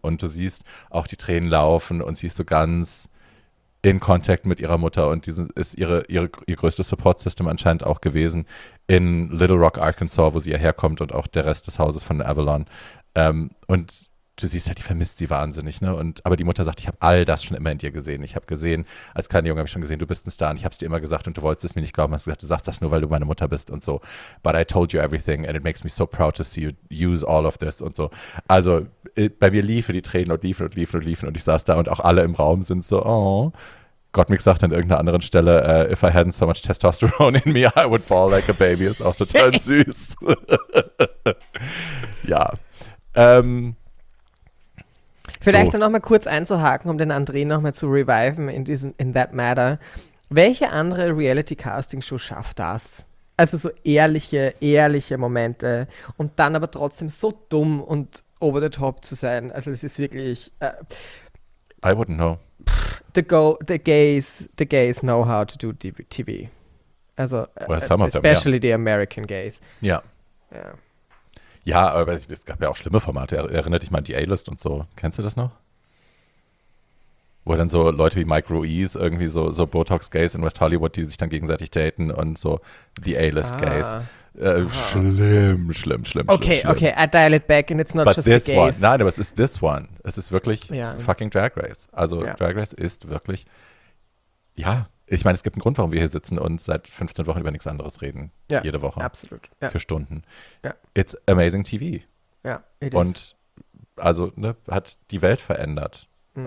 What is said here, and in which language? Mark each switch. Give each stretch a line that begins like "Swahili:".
German: Und du siehst auch die Tränen laufen und siehst so ganz in Kontakt mit ihrer Mutter, und diese ist ihr größtes Support System anscheinend auch gewesen in Little Rock, Arkansas, wo sie ja herkommt, und auch der Rest des Hauses von Avalon. Und du siehst ja, die vermisst sie wahnsinnig, ne? Und aber die Mutter sagt, ich habe all das schon immer in dir gesehen. Ich habe gesehen, als kleiner Junge habe ich schon gesehen, du bist ein Star, und ich habe es dir immer gesagt und du wolltest es mir nicht glauben. Hast gesagt, du sagst das nur, weil du meine Mutter bist und so.
English: But I told you everything and it makes me so proud to see you use all of this
German: und so. Also bei mir liefen die Tränen und liefen und liefen und liefen, und ich saß da und auch alle im Raum sind so, oh. Gottmik sagt an irgendeiner anderen Stelle,
English: if I hadn't so much testosterone in me, I would fall like a baby.
German: Ist auch total süß. Ja. Vielleicht so, dann nochmal kurz einzuhaken, um den André nochmal zu reviven
English: in that matter.
German: Welche andere Reality-Casting-Show schafft das? Also so ehrliche Momente und dann aber trotzdem so dumm und
English: over the top
German: zu sein. Also es ist wirklich...
English: I wouldn't know. The gays know how to do TV. Also especially them, the American gays.
German: Ja. Ja, aber es gab ja auch schlimme Formate. Erinnert dich mal an die A-List und so. Kennst du das noch? Wo dann so Leute wie Mike Ruiz irgendwie so Botox-Gays in West Hollywood, die sich dann gegenseitig daten und so the A-List-Gays. Schlimm.
English: Okay, I dial it back and it's not but just the gays. But this one.
German: Nein, aber es ist
English: this one.
German: Es ist wirklich fucking Drag Race. Also Drag Race ist wirklich, ja. Ich meine, es gibt einen Grund, warum wir hier sitzen und seit 15 Wochen über nichts anderes reden. Ja, jede Woche. Absolut. Ja. Für Stunden. Ja.
English: It's amazing TV.
German: Ja,
English: it is.
German: Und also ne, hat die Welt verändert. Mhm.